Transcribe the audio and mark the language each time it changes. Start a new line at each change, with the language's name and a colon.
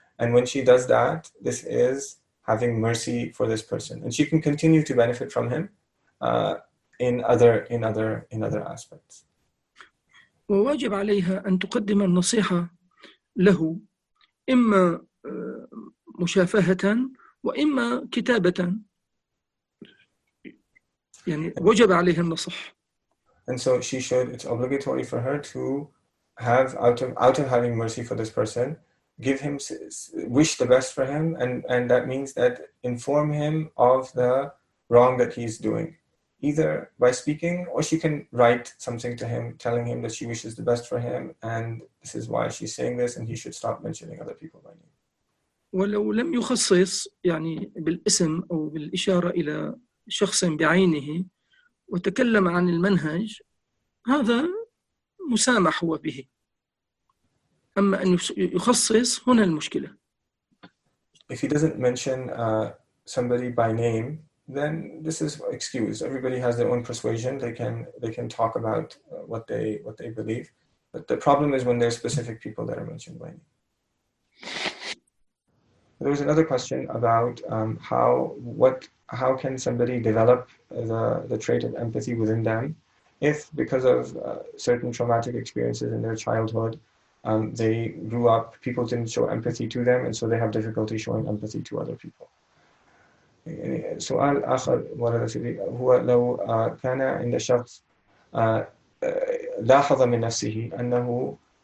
English: And when she does that, this is having mercy for this person, and she can continue to benefit from him in other aspects.
Arabic: وواجب عليها أن تقدم النصيحة له، إما مشافهة وإما كتابة، يعني وجب عليها النصح.
English: And so she should, it's obligatory for her to have, out of having mercy for this person, give him, wish the best for him, and that means that inform him of the wrong that he's doing. Either by speaking, or she can write something to him, telling him that she wishes the best for him, and this is why she's saying this, and he should stop mentioning other people by name.
Arabic: ولو لم يخصص يعني بالاسم أو بالإشارة إلى شخص بعينه وتكلم عن المنهج، هذا مسامح هو به، أما أن يخصص هنا المشكلة.
English: If he doesn't mention somebody by name, then this is excused. Everybody has their own persuasion. They can talk about what they believe. But the problem is when there are specific people that are mentioned by name. There was another question about how can somebody develop the trait of empathy within them if, because of certain traumatic experiences in their childhood, they grew up, people didn't show empathy to them, and so they have difficulty showing empathy to other people.
Arabic: سؤال آخر ورد سيدي، هو لو كان عند شخص لاحظ من نفسه أنه